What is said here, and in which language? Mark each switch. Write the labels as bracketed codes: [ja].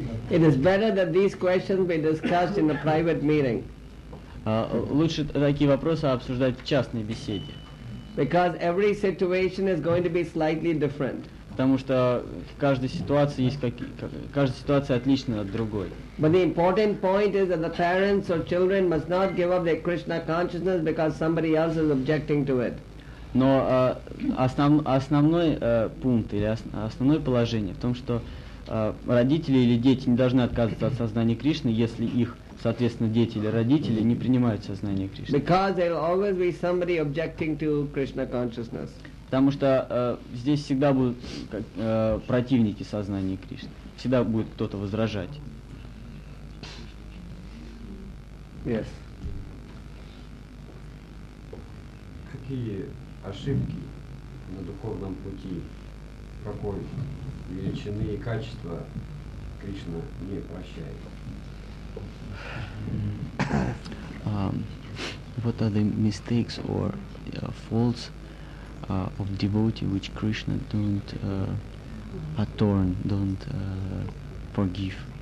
[en] it is better that these questions be discussed in a private meeting. [ru] Лучше такие вопросы обсуждать в частной беседе. [en] Because every situation is going to be slightly different. [ru] Потому что в каждой ситуации есть каждая ситуация отлична от другой. [en] But the important point is that the parents or children must not give up their Krishna consciousness because somebody else is objecting to it. [ru] Но основное положение в том, что родители или дети не должны отказываться от сознания Кришны, если их соответственно, дети или родители не принимают сознание Кришны. [en] Because there will always be somebody objecting to Krishna consciousness. [ru] Потому что здесь всегда будут противники сознания Кришны. Всегда будет кто-то возражать. [en] Yes. [ru] Какие ошибки на духовном пути, какой величины и качества Кришна не прощает? [en] What are the mistakes or faults of devotee which Krishna don't atone, don't forgive?